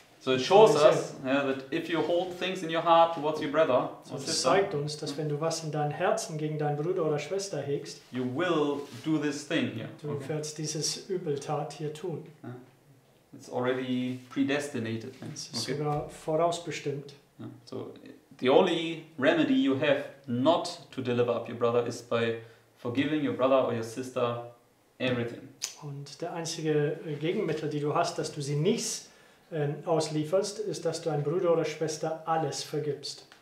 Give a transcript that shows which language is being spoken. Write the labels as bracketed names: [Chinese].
[English] So it shows us, yeah, that if you hold things in your heart towards your brother, [German] so es zeigt uns, dass wenn du was in deinem Herzen gegen deinen Bruder oder Schwester hegst, [English] you will do this thing here. [German] Du wirst dieses Übeltat hier tun. [English] It's already predestinated. [German] Es ist sogar vorausbestimmt. [English] So the only remedy you have not to deliver up your brother is by forgiving your brother or your sister. Everything. [German] Und der einzige Gegenmittel, die du hast, dass du sie nicht auslieferst, ist, dass du einem Bruder oder Schwester alles vergibst.